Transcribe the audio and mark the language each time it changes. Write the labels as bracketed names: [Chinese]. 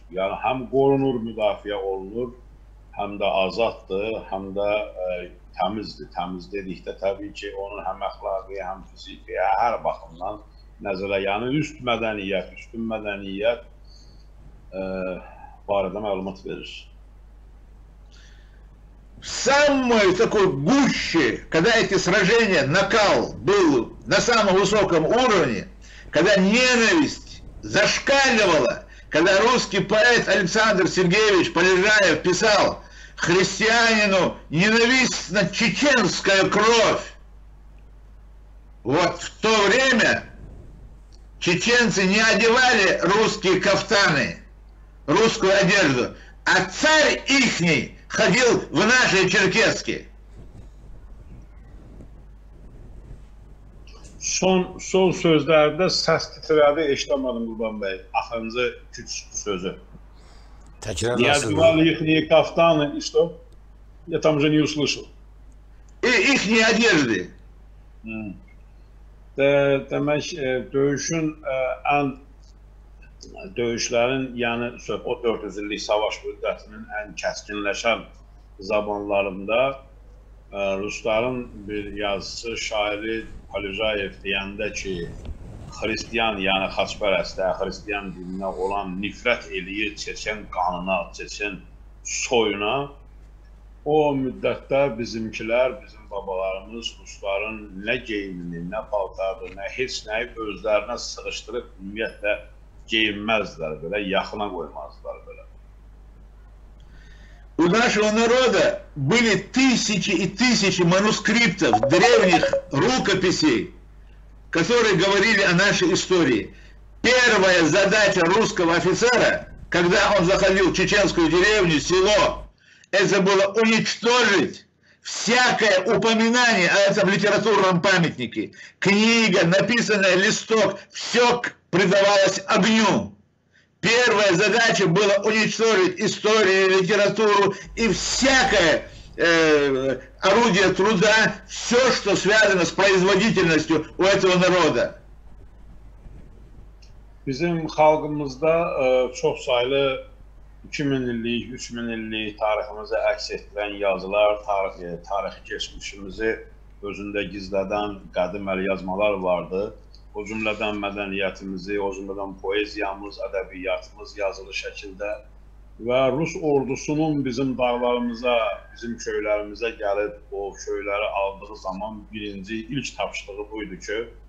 [Azerbaijani] Yəni, həm qorunur, müdafiə olunur, həm də azaddır, həm də təmizdir. Təmiz dedikdə təbii ki, onun həm əxlaqı, həm fiziki, hər baxımdan nəzərə, yəni üst mədəniyyət, üstün mədəniyyət barədə məlumat verir. [Russian] Самый такой гуще, когда эти сражения, накал был на самом высоком уровне, когда ненависть зашкаливала, когда русский поэт Александр Сергеевич Полежаев писал: христианину ненавистна чеченская кровь. Вот в то время чеченцы не одевали русские кафтаны, русскую одежду, а царь ихний ходил в нашей черкесске. [Azerbaijani] Son sözlərində səs titrədi, eşitmədim Qurban bəy. Axırıncı küçük sözü. Təkrarlasın. İhni kaftanı, işte. [Russian] Я там уже не услышал. İhni одежды. [Azerbaijani] Demək, döyüşün ən döyüşlərin, yəni o 400 illik savaş müddətinin ən kəskinləşən zamanlarında Rusların bir yazısı, şairi Polijayev deyəndə ki, Hristiyan, yəni xaçpərəstə, Hristiyan dininə olan nifrət eləyir çeçən qanına, çeçən soyuna, o müddətdə bizimkilər, bizim babalarımız Rusların nə geyimini, nə paltarı, nə heç nəyi özlərinə sığışdırıb ümumiyyətlə geyinməzdilər, belə yaxına qoymazdılar. [Russian] У нашего народа были тысячи и тысячи манускриптов, древних рукописей, которые говорили о нашей истории. Первая задача русского офицера, когда он заходил в чеченскую деревню, село, это было уничтожить всякое упоминание о этом литературном памятнике. Книга, написанная, листок, все предавалось огню. Первая задача была уничтожить историю, литературу и всякое орудие труда, все, что связано с производительностью у этого народа. [Azerbaijani] Bizim xalqımızda çox sayılı 2000 illik, 3000 illik tariximizi əks etdirən yazılar, tarix keçmişimizi özündə gizlədən qədim əlyazmalar vardı. O cümlədən mədəniyyətimizi, o cümlədən poeziyamız, ədəbiyyatımız yazılı şəkildə və Rus ordusunun bizim dağlarımıza, bizim köylərimizə gəlib o köyləri aldığı zaman birinci, ilk tapışlığı buydu ki,